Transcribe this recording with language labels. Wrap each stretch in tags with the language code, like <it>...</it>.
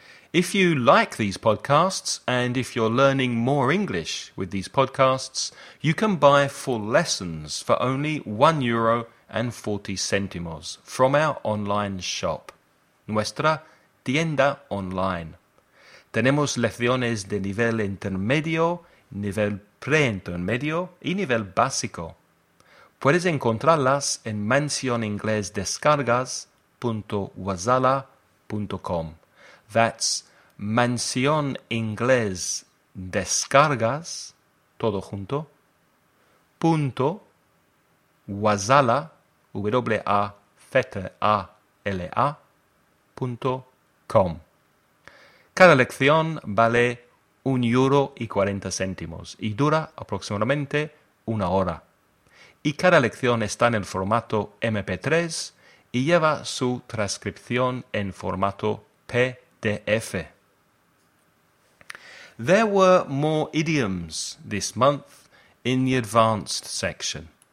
<en>If you like these podcasts, and if you're learning more English with these podcasts, you can buy full lessons for only 1 euro and 40 centimos from our online shop,</en> <es>nuestra tienda online. Tenemos lecciones de nivel intermedio, nivel preintermedio y nivel básico. Puedes encontrarlas en mansioningles.descargas.wasala.com. That's mansioningles.descargas, todo junto, punto, Wasala, wazala.com. Cada lección vale 1 euro y 40 céntimos y dura aproximadamente 1 hora. Y cada lección está en el formato MP3 y lleva su transcripción en formato PDF.</es> <en>There were more idioms this month in the advanced section.</en>